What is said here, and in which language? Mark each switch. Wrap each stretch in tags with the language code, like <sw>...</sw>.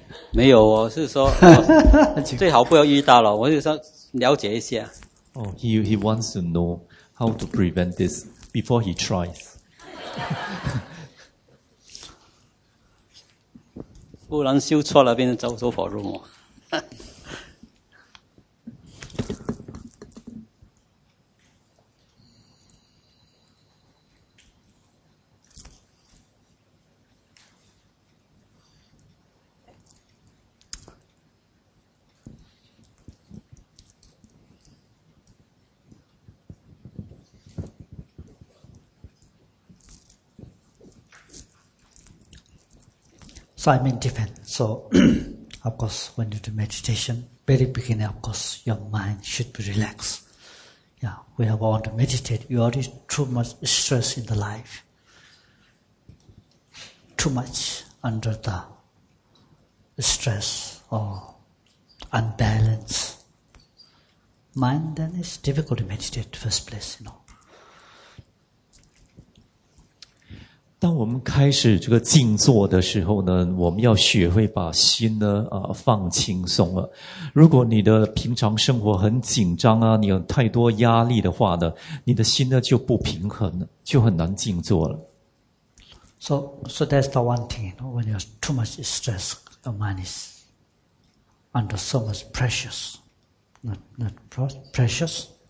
<zh>没有，我是说，最好不要遇到了。我是说，了解一下。</zh> <en>Oh, he wants to know how to prevent this before he tries.</en> <zh>不然修错了，变成走火入魔。</zh> <en>So I mean different. So, of course, when you do meditation, very beginning, of course, your mind should be relaxed. Yeah, we have all to meditate. You already too much stress in the life. Too much under the stress or unbalanced mind, then it's difficult to meditate first place, you know.</en> <zh>当我们开始这个静坐的时候呢，我们要学会把心呢放轻松了。如果你的平常生活很紧张啊，你有太多压力的话呢，你的心呢就不平衡了，就很难静坐了。</zh> <en>So that's the one thing. When you're too much stress, your mind is under so much pressures. Not precious.</en>